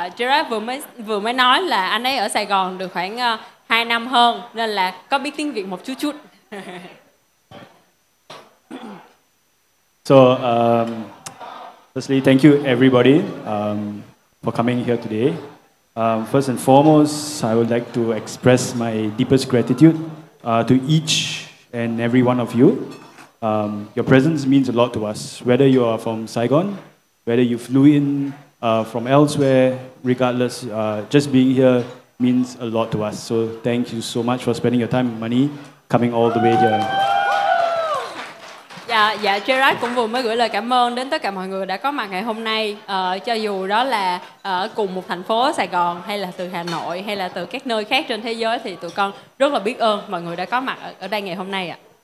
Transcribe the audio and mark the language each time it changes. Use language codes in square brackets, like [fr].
[vi] Gerard vừa mới nói là anh ấy ở Sài Gòn được khoảng 2 năm hơn, nên là có biết tiếng Việt một chút. [en] So firstly, thank you everybody for coming here today. First and foremost, I would like to express my deepest gratitude to each and every one of you. Your presence means a lot to us, whether you are from Saigon, whether you flew in from elsewhere, regardless, just being here means a lot to us. So thank you so much for spending your time and money coming all the way here. [vi] Dạ, Gerard cũng vừa mới gửi lời cảm ơn đến tất cả mọi người đã có mặt ngày hôm nay, cho dù đó là ở cùng một thành phố Sài Gòn hay là từ Hà Nội hay là từ các nơi khác trên thế giới, thì tụi con rất là biết ơn mọi người đã có mặt ở đây ngày hôm nay ạ.